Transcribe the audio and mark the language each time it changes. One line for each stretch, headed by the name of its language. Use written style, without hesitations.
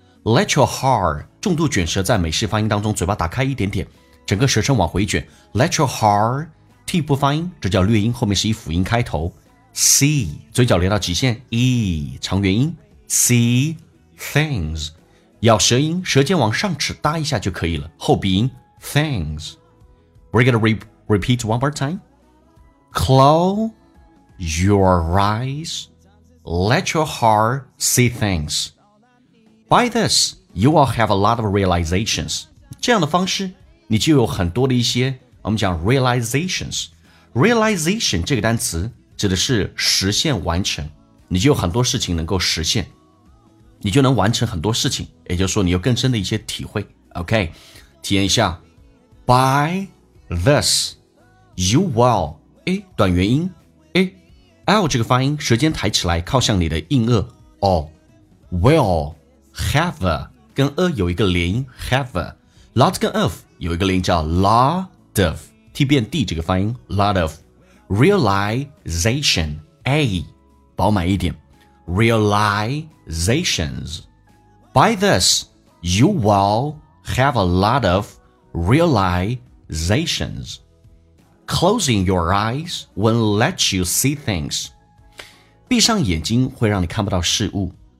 Chinese: heart, 重度卷舌在美式发音当中嘴巴打开一点点，整个舌身往回卷， let your heart, T 不发音，这叫略音，后面是一辅音开头， see, 嘴角连到极限， E 长元音， seethings, 咬舌音，舌尖往上齿搭一下就可以了，后鼻音 things.
English: We're gonna repeat one more time. Close your eyes, let your heart see things. By this, you will have a lot of realizations.
Chinese: 这样的方式你就有很多的一些，我们讲 realizations. Realization 这个单词指的是实现完成，你就有很多事情能够实现，你就能完成很多事情，也就是说你有更深的一些体会。 OK, 体验一下。 By this, you will, A 短元音， A L 这个发音，舌尖抬起来靠向你的硬腭， or will have a, 跟 a 有一个连音， have a lot 跟 of 有一个连音叫 lot of, T 变 D 这个发音， lot of realization, A 饱满一点，realizations.
English: By this, you will have a lot of realizations. Closing your eyes won't let you see things.
Chinese: 闭上眼睛会让你看不到事物。